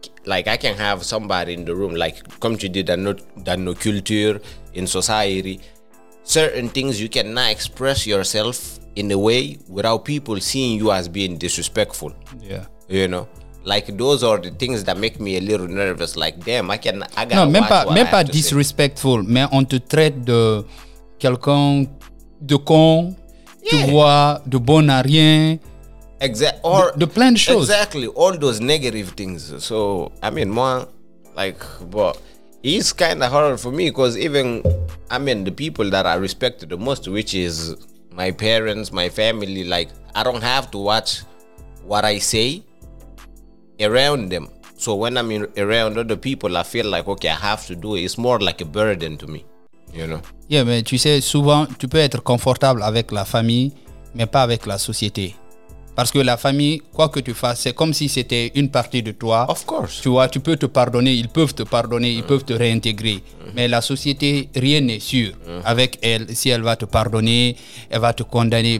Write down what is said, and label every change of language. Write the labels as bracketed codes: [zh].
[en] Like, I can have somebody in the room, like, come to the culture in society. Certain things, you cannot express yourself in a way without people seeing you as being disrespectful. Yeah. You know? Like, those are the things that make me a little nervous. Like, damn, I can... I gotta même pas disrespectful, say. [fr] Mais on te traite de quelqu'un de con, tu vois, de bon à rien... [en] Exactly, or the plan shows exactly all those negative things. So, I mean, moi, like, but it's kind of hard for me because even I mean, the people that I respect the most, which is my parents, my family, like, I don't have to watch what I say around them. So, when I'm around other people, I feel like okay, I have to do it. It's more like a burden to me, you know. [fr] Yeah, mais tu sais, souvent tu peux être confortable avec la famille, mais pas avec la société. Parce que la famille, quoi que tu fasses, c'est comme si c'était une partie de toi. [en] Of course. [fr] Tu vois, tu peux te pardonner, ils peuvent te pardonner, ils peuvent te réintégrer. Mais la société, rien n'est sûr avec elle. Si elle va te pardonner, elle va te condamner.